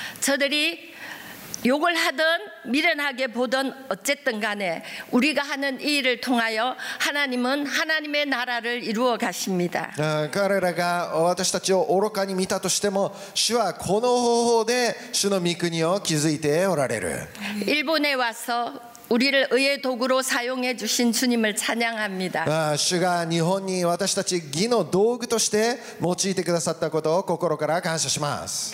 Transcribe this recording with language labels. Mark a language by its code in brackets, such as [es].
[ko] 저들이 욕을 하든 미련하게 보든 어쨌든 간에 우리가 하는 이 일을 통하여 하나님은 하나님의 나라를 이루어 가십니다. [ja] 彼らが私たちを愚かに見たとしても主はこの方法で主の御国を築いておられる. [ko] 일본에 와서 우리를 의의 도구로 사용해 주신 주님을 찬양합니다. [ja] 主が日本に私たち義の道具として用いてくださったことを心から感謝します.